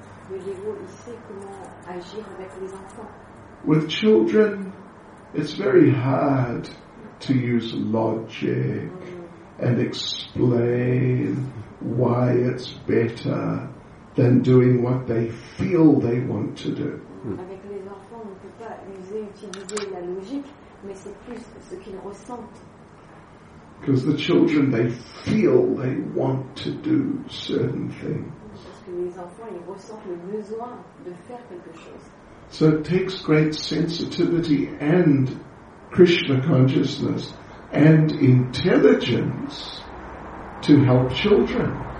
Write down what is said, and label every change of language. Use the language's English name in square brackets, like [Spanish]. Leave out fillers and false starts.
[French] montrer comment agir avec les enfants. [English] With children, it's very hard to use logic and explain why it's better than doing what they feel they want to do. [French] Avec les enfants, on ne peut pas utiliser la logique, mais c'est plus ce qu'ils ressentent. [English] Because the children, they feel they want to do certain things. [French] Parce que les enfants, ils ressentent le besoin de faire quelque chose. [English] So it takes great sensitivity and Krishna consciousness and intelligence to help children.